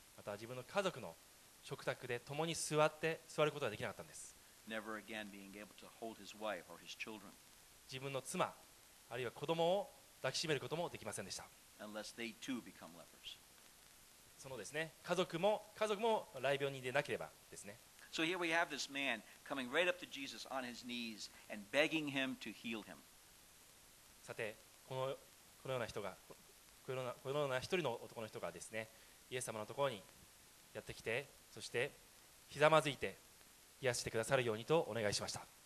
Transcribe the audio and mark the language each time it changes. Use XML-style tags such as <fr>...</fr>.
<ja>また、自分の家族の食卓で共に座って座ることができなかったんです。</ja> <en>Never again being able to hold his wife or his children.</en> <ja>自分の妻、あるいは子供を抱きしめることもできませんでした。</ja> <en>Unless they too become lepers.</en> <ja>そのですね、家族も雷病人でなければですね。</ja> <en>So here we have this man coming right up to Jesus on his knees and begging him to heal him.</en> <ja>さて、このような一人の男の人がですね、イエス様のところにやってきて、そしてひざまずいて癒してくださるようにとお願いしました。</ja>